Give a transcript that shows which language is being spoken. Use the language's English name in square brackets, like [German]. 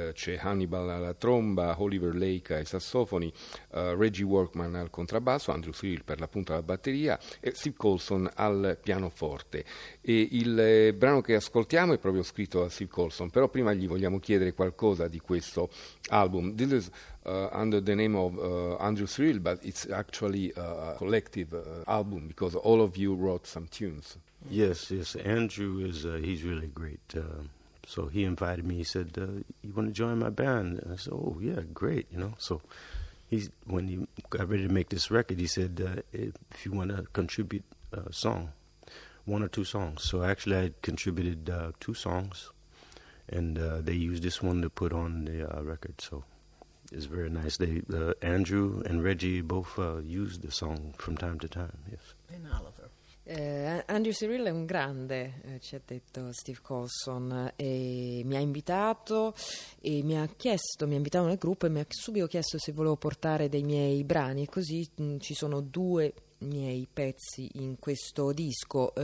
[Italian] C'è Hannibal alla tromba, Oliver Lake ai sassofoni, Reggie Workman al contrabbasso, Andrew Cyril per l'appunto alla batteria e Steve Coulson al pianoforte. E il brano che ascoltiamo è proprio scritto da Steve Coulson, però prima gli vogliamo chiedere qualcosa di questo album. [English] This is under the name of Andrew Cyril, but it's actually a collective album because all of you wrote some tunes. Yes, Andrew is he's really great. So he invited me, he said, you want to join my band? And I said, oh yeah, great, you know. So when he got ready to make this record, he said, if you want to contribute a song. One or two songs. So actually I contributed 2 songs, and they used this one to put on the record. So it's very nice. They Andrew and Reggie both used the song from time to time. Yes. And Oliver. [Italian] Andrew Cyril è un grande, ci ha detto Steve Coulson, e mi ha invitato e mi ha chiesto, mi ha invitato nel gruppo e mi ha subito chiesto se volevo portare dei miei brani, e così ci sono 2 miei pezzi in questo disco.